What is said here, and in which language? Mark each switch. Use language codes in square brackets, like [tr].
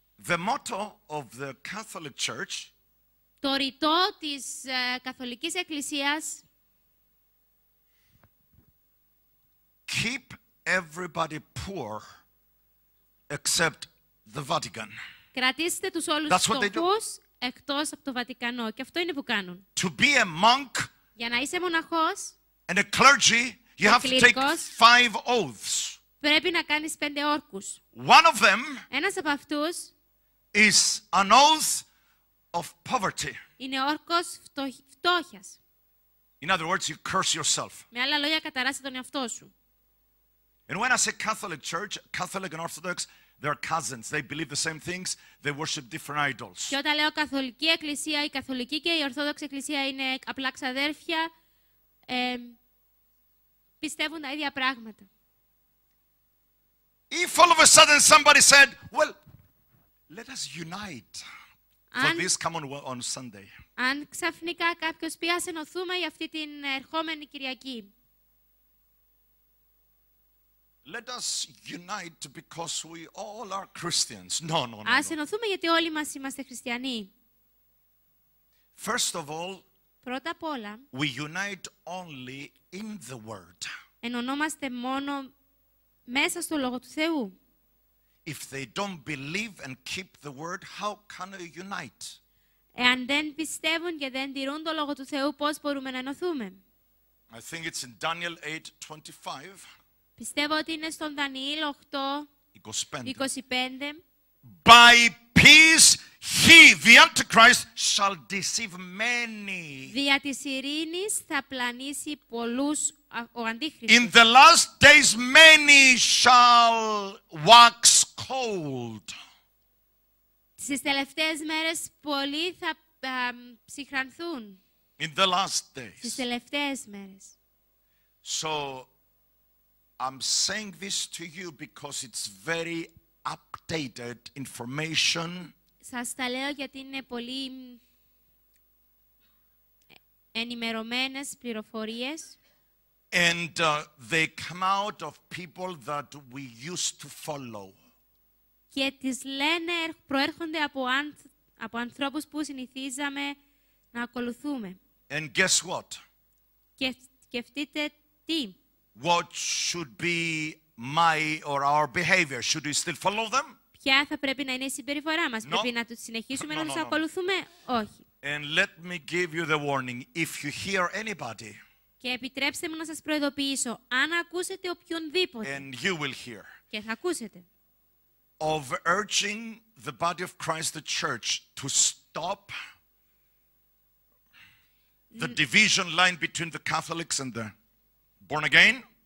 [en] The motto of the Catholic Church, [el] το ρητό της Καθολικής Εκκλησίας, [en] keep everybody poor except the Vatican. [el] Κρατήστε τους όλους φτωχούς εκτός από το Βατικανό. Και αυτό είναι που κάνουν. [en] To be a monk, [el] για να είσαι μοναχός [en] and a clergy, you have to take five oaths. [el] Πρέπει να κάνεις πέντε όρκους. [en] One of them [el] ένας από αυτούς [en] is an oath of poverty. [el] Είναι όρκος φτώχειας. [en] In other words, you curse yourself. [el] Με άλλα λόγια, καταράσεις τον εαυτό σου. [en] And when I say Catholic Church, Catholic and Orthodox, they're cousins. They believe the same things. They worship different idols. [el] Και όταν λέω Καθολική Εκκλησία, η Καθολική και η Ορθόδοξη Εκκλησία είναι απλά ξαδέρφια, πιστεύουν τα ίδια πράγματα. [en] If all of a sudden somebody said, well, let us unite for this coming on Sunday. [el] Αν ξαφνικά κάποιος πει, ας ενωθούμε για αυτή την ερχόμενη Κυριακή. [en] Let us unite because we all are Christians. No, no, no. [el] Ας ενωθούμε γιατί όλοι μας είμαστε χριστιανοί. [en] First of all, [el] πρώτα απ' όλα, [en] we unite only in the Word. [el] Ενωνόμαστε μόνο μέσα στο Λόγο του Θεού. [en] If they don't believe and keep the Word, how can we unite? [el] Εάν δεν πιστεύουν και δεν τηρούν το Λόγο του Θεού, πώς μπορούμε να ενωθούμε? [en] I think it's in Daniel 8:25. [el] Πιστεύω ότι είναι στον Δανιήλ 8:25. [en] By peace he, the Antichrist, shall deceive many. [el] Δια της ειρήνης θα πλανήσει πολλούς ο Αντίχριστος. [en] In the last days many shall wax cold. [el] Στις τελευταίες μέρες πολλοί θα ψυχρανθούν. [en] In the last days. [el] Στις τελευταίες μέρες. [en] So I'm saying this to you because it's very updated information. [el] Σας τα λέω γιατί είναι πολύ ενημερωμένες πληροφορίες. [en] And they come out of people that we used to follow. [el] Και τις λένε, προέρχονται από ανθρώπους που συνηθίζαμε να ακολουθούμε. [en] And guess what? [el] Και σκεφτείτε τι. [en] What should be my or our behavior? Should we still follow them? [el] Ποια θα πρέπει να είναι η συμπεριφορά μας? Πρέπει να τους συνεχίσουμε να τους ακολουθούμε? Όχι. [en] And let me give you the warning. If you hear anybody. [el] Και επιτρέψτε μου να σας προειδοποιήσω. Αν ακούσετε οποιονδήποτε. [en] And you will hear. [el] Και θα ακούσετε. [en] Of urging the body of Christ, the church, to stop the division line between the Catholics and the born again,